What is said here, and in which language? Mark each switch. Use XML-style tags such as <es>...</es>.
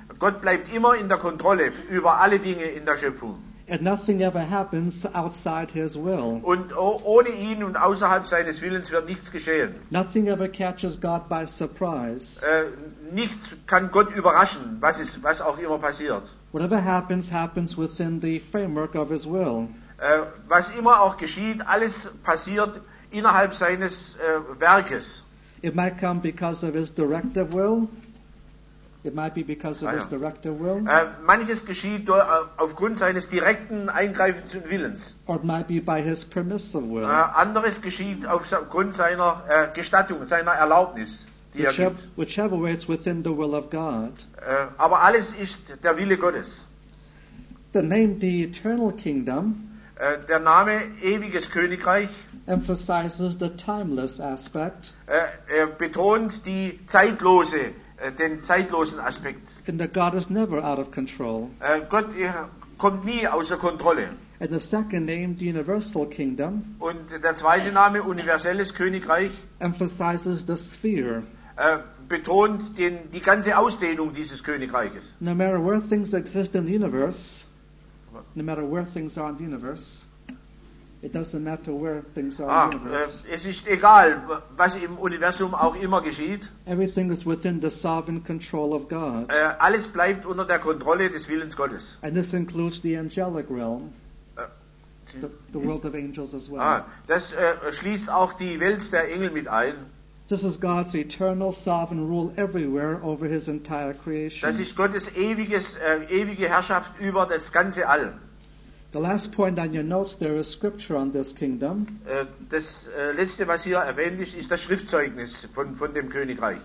<de>Gott bleibt immer in der Kontrolle über alle Dinge in der Schöpfung.</de> <en>And nothing ever happens outside his will.</en> <de>Und ohne ihn und außerhalb seines Willens wird nichts geschehen.</de> <en>Nothing ever catches God by surprise.</en> <de>Nichts kann Gott überraschen, was auch immer passiert.</de> <en>Whatever happens, happens within the framework of his will.</en> <de>Was immer auch geschieht, alles passiert innerhalb seines Werkes.</de> <en>It might come because of his directive will. It might be because of his directive will.</en> <de>Manches geschieht aufgrund seines direkten Eingreifens und Willens.</de> <en>Or it might be by his permissive will.</en> <de>Anderes geschieht aufgrund seiner Gestattung, seiner Erlaubnis, die er gibt.</de> <en>Whichever way, it's within the will of God.</en> <de>Aber alles ist der Wille Gottes.</de> <en>The name, the eternal kingdom.</en> <de>Der Name ewiges Königreich</de> <en>emphasizes the timeless aspect.</en> <de>Betont die zeitlose, den zeitlosen Aspekt.</de> <en>And that God is never out of control.</en> <de>Gott kommt nie außer Kontrolle.</de> <en>And the second name, the universal kingdom.</en> <de>Und der zweite Name, universelles Königreich</de> <en>emphasizes the sphere.</en> <de>Betont die ganze Ausdehnung dieses Königreiches.</de> <en>No matter where things exist in the universe. No matter where things are in the universe, it doesn't matter where things are in the universe.</en> <de>Es ist egal, was im Universum auch immer geschieht.</de> <en>Everything is within the sovereign control of God.</en> <de>Alles bleibt unter der Kontrolle des Willens Gottes.</de> <en>And this includes the angelic realm, the world of angels as well.</en> <de>Das schließt auch die Welt der Engel mit ein.</de> <en>This is God's eternal sovereign rule everywhere over his entire creation.</en> <de>Das ist Gottes ewige Herrschaft über das ganze All.</de> <en>The last point on your notes there is scripture on this kingdom.</en> <de>Das letzte, was hier erwähnt ist das Schriftzeugnis von dem Königreich.</de>